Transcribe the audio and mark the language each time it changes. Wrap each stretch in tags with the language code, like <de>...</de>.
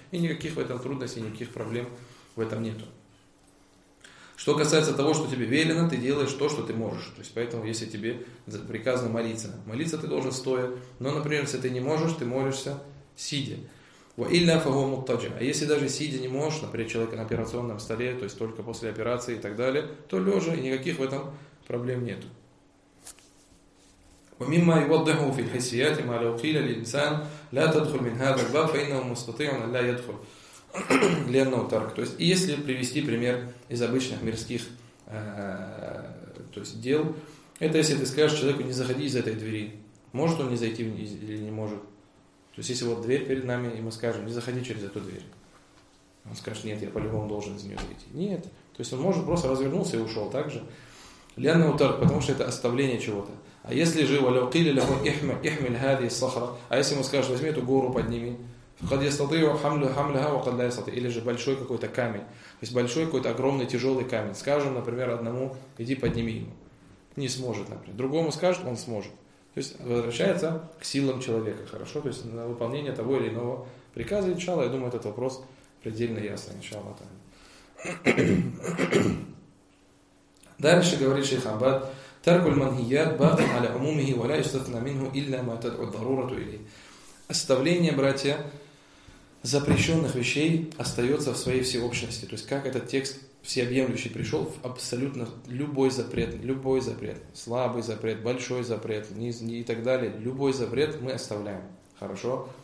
<ru>И никаких в этом трудностей, никаких проблем в этом нету. Что касается того, что тебе велено, ты делаешь то, что ты можешь. То есть поэтому, если тебе приказано молиться, молиться ты должен стоя. Но, например, если ты не можешь, ты молишься сидя. А если даже сидя не можешь, например, человек на операционном столе, то есть только после операции и так далее, то лежа, и никаких в этом проблем нету.</ru> <ar>ومما يوضح في الحسيات ما لو قيل للإنسان لا تدخل من هذا الباب فإنه مستطيع أن لا يدخل لأنه ترك.</ar> <ru>То есть, если привести пример из обычных мирских, то есть дел, это если ты скажешь человеку не заходи из этой двери, может он не зайти или не может. То есть, если вот дверь перед нами и мы скажем не заходи через эту дверь, он скажет нет, я по-любому должен из нее зайти. Нет, то есть он может просто развернулся и ушел также.</ru> <ar>لأنه ترك,</ar> <ru>потому что это оставление чего-то. А если же</ru> <ar>ولو قيل له احمل هذه الصخرة,</ar> <ru>а если ему скажешь возьми эту гору подними,</ru> <ar>قد يستطيع حملها وقد لا يستطيع,</ar> <ru>или же большой какой-то камень, то есть большой какой-то огромный тяжелый камень, скажем, например, одному иди подними ему, не сможет, например, другому скажет, он сможет, то есть возвращается к силам человека, хорошо, то есть на выполнение того или иного приказа, иншаллах, я думаю, этот вопрос предельно ясный, иншаллах. Дальше говорит шейх Аббад.</ru> <ar>ترك المنهيات باق على عمومه ولا يستثنى منه إلا ما تدعو الضرورة إليه.</ar> <ru>Оставление, братья, запрещенных вещей остается в своей всеобщности. То есть как этот текст всеобъемлющий пришел в абсолютно любой запрет, слабый запрет, большой запрет и так далее, любой запрет мы оставляем. Хорошо?</ru>